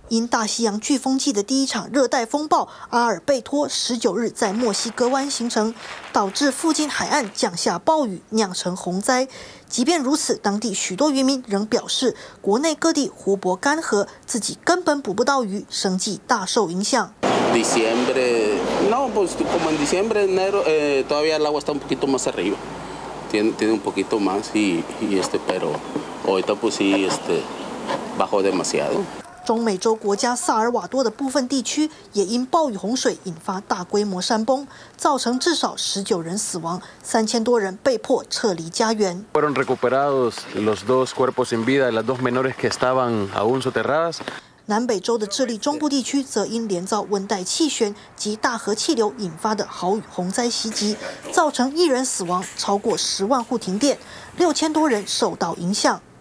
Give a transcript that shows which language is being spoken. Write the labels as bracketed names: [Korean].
[Chinese] 因大西洋飓风季的第一场热带风暴阿尔贝托19日在墨西哥湾形成导致附近海岸降下暴雨酿成洪灾即便如此当地许多渔民仍表示国内各地湖泊干涸自己根本捕不到鱼生计大受影响 [Spanish] Diciembre, no, pues como en diciembre, enero, todavía el agua está un poquito más arriba. Tiene un poquito más, pero ahorita pues sí, bajó demasiado. [Chinese] 中美洲国家萨尔瓦多的部分地区也因暴雨洪水引发大规模山崩，造成至少19人死亡，3000多人被迫撤离家园。 [Spanish] Fueron recuperados los dos cuerpos sin vida, las dos menores que estaban aún soterradas. [Chinese] 南北州的智利中部地区则因连遭温带气旋及大河气流引发的豪雨洪灾袭击，造成1人死亡，超过10万户停电，6000多人受到影响。